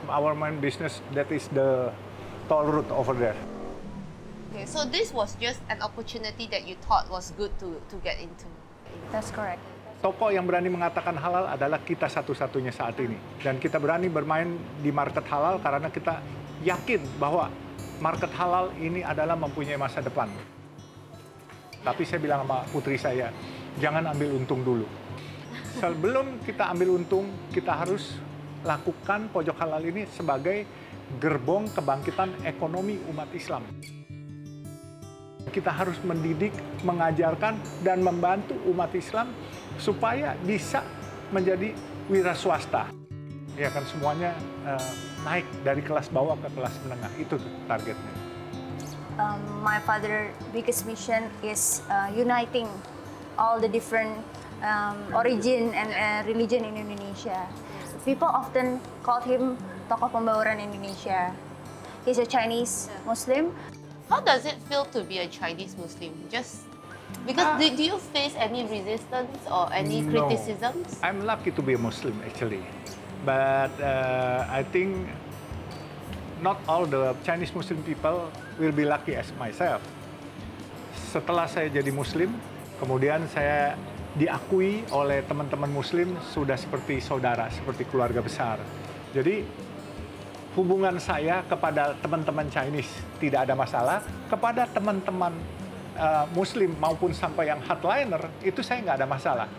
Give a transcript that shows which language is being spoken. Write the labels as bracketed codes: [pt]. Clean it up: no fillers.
[en] Our main business, that is the toll route over there. Okay, so this was just an opportunity that you thought was good to get into. That's correct. [id] Toko yang berani mengatakan halal adalah kita satu-satunya saat ini. Dan kita berani bermain di market halal karena kita yakin bahwa market halal ini adalah mempunyai masa depan. Tapi saya bilang sama putri saya, jangan ambil untung dulu. Sebelum kita ambil untung, kita harus lakukan pojok halal ini sebagai gerbong kebangkitan ekonomi umat Islam. Kita harus mendidik, mengajarkan, dan membantu umat Islam supaya bisa menjadi wira swasta. Ya kan, semuanya naik dari kelas bawah ke kelas menengah. Itu targetnya. [en] My father's biggest mission is uniting all the different origin and religion in Indonesia. People often call him Tokoh Pembauran Indonesia. He's a Chinese Muslim. How does it feel to be a Chinese Muslim? Just because do you face any resistance or any criticisms? No. I'm lucky to be a Muslim, actually. But I think not all the Chinese Muslim people will be lucky as myself. [id] Setelah saya jadi Muslim, kemudian saya diakui oleh teman-teman Muslim sudah seperti saudara, seperti keluarga besar. Jadi hubungan saya kepada teman-teman Chinese tidak ada masalah. Kepada teman-teman Muslim maupun sampai yang hardliner, itu saya nggak ada masalah.